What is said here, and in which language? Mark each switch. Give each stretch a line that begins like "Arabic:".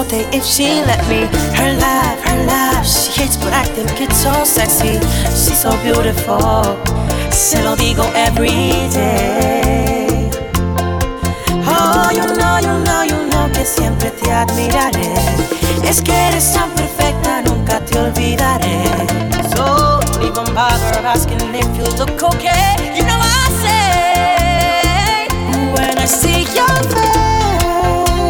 English: if she let me. Her laugh, she hates but I think it's so sexy. She's so beautiful,
Spanish: se lo digo
English: every day. Oh, you know
Spanish: que siempre te admiraré. Es que eres tan perfecta, nunca te olvidaré.
English: So, don't even bother asking if you look okay. You know I say, when I see your face,